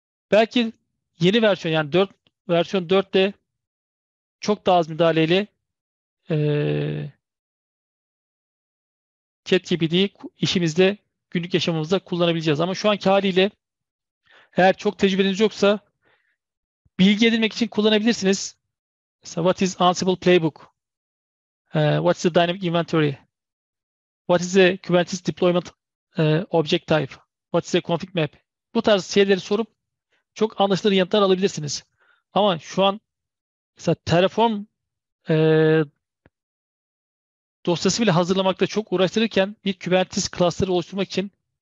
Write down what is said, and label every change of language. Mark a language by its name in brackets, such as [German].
[Turkish] Belki yeni versiyon, yani 4 versiyon 4'te çok daha az müdahaleyle ChatGPT'yi işimizde, günlük yaşamımızda kullanabileceğiz. Ama şu anki haliyle eğer çok tecrübeniz yoksa bilgi edinmek için kullanabilirsiniz. [English] Mesela, what is Ansible Playbook? What is the dynamic inventory? What is the Kubernetes deployment object type? What is the config map? [Turkish] Bu tarz şeyleri sorup çok anlaşılır yanıtlar alabilirsiniz. Ama şu an mesela Terraform dosyası bile hazırlamakta çok uğraştırırken bir Kubernetes cluster'ı oluşturmak için